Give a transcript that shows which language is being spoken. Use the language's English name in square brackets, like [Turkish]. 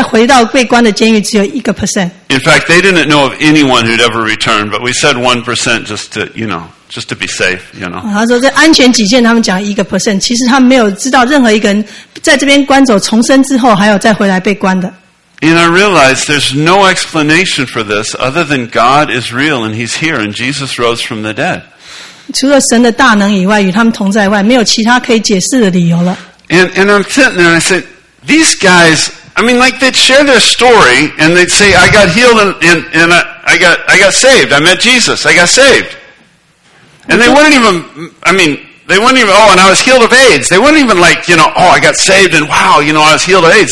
[Chinese] 哦,他说,当他们在这里受刑,然后被主摸着的时候,他们在回到被关的监狱只有1%。 [English] In fact, they didn't know of anyone who'd ever returned, but we said 1% just to, you know, just to be safe, you know. [Chinese] 他说这安全起见他们讲1%, 其实他们没有知道任何一个人在这边关走重生之后还有再回来被关的。 [English] And I realized there's no explanation for this other than God is real and He's here and Jesus rose from the dead. [Chinese] 除了神的大能以外, 与他们同在外, 没有其他可以解释的理由了。 [English] And I'm sitting there and I said, these guys, I mean, like they'd share their story and they'd say, I got healed and I got saved. I met Jesus. I got saved. And they wouldn't even, I mean, they wouldn't even, oh, and I was healed of AIDS. They wouldn't even like, you know, oh, I got saved and wow, you know, I was healed of AIDS.